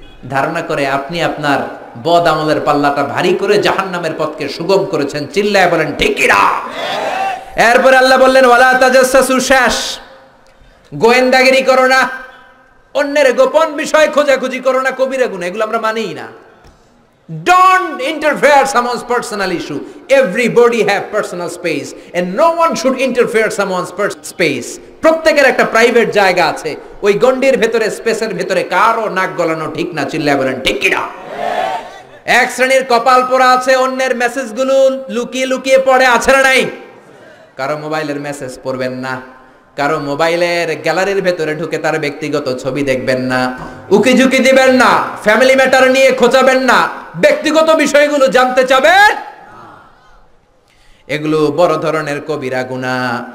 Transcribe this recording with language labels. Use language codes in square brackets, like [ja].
[bn] ধারণা করে আপনি আপনার বদ আমলের পাল্লাটা ভারী করে জাহান্নামের পথকে সুগম করেছেন। চিল্লায় বলেন ঠিক কিনা? এরপর আল্লাহ বললেন [ar] ওয়ালা তাজাসসু, [bn] শেষ, গোয়েন্দাগিরি করো না, অন্যের গোপন বিষয় খোঁজাখুঁজি করো না, কবিরা গুনাহ, এগুলো আমরা মানি না। [en] Don't interfere someone's personal issue. Everybody have personal space and no one should interfere someone's personal space. [bn] প্রত্যেকের একটা প্রাইভেট জায়গা আছে, ওই গন্ডির ভেতরে, স্পেসের ভেতরে কারো নাক গলানো ঠিক না। চিল্লায় বলেন ঠিক কিনা? এক শ্রেণীর কপাল পড়া আছে, অন্যের মেসেজ গুলো লুকিয়ে লুকিয়ে পড়ে আছে নাই। কারো মোবাইলের মেসেজ পড়বেন না, কারো মোবাইলের গ্যালারির ভেতরে ঢুকে তার ব্যক্তিগত ছবি দেখবেন না, উকি ঝুঁকি দিবেন না, ফ্যামিলি ম্যাটার নিয়ে খোঁচাবেন না, ব্যক্তিগত বিষয়গুলো জানতে চাবেন, এগুলো বড় ধরনের কবিরা গুনাহ।